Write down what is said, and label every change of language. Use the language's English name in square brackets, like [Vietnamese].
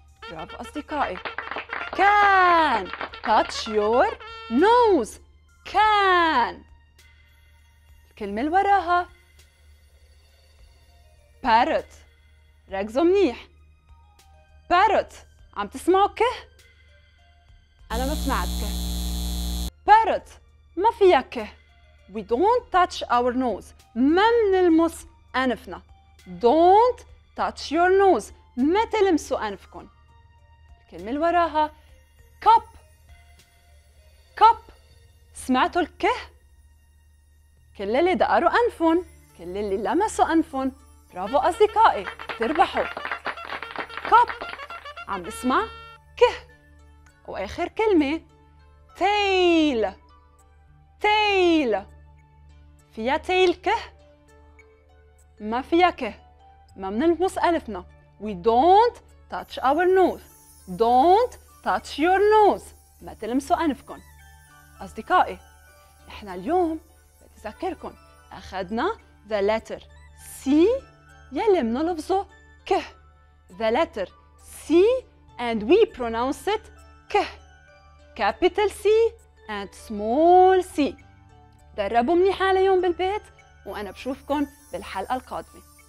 [Arabic] برافو أصدقائي. [English] can. touch your nose. can. [Arabic] الكلمة اللي وراها parrot. ركزوا منيح. parrot. عم تسمعوا كه؟ أنا ما سمعت كه. parrot. ما فيها كه. [English] we don't touch our nose. [Arabic] ما منلمس أنفنا. [English] don't touch your nose. [Arabic] ما تلمسوا أنفكن. الكلمة اللي وراها cup. [English] cup. [Arabic] سمعتوا الكه؟ كل اللي دقروا أنفهم، كل اللي لمسوا أنفهم، برافو أصدقائي تربحوا. cup. عم اسمع كه. وآخر كلمة tail. [English] tail. [Arabic] فيها tail كه؟ ما فيها كه. ما منلمس ألفنا. [English] we don't touch our nose. don't touch your nose. [Arabic] ما تلمسوا أنفكن. أصدقائي إحنا اليوم بتذكركن أخذنا [English] the letter C [Arabic] يلي منلفظه كه. [English] the letter C and we pronounce it كه. capital C and small C. [Arabic] دربوا منيح عليهم بالبيت وأنا بشوفكن بالحلقة القادمة.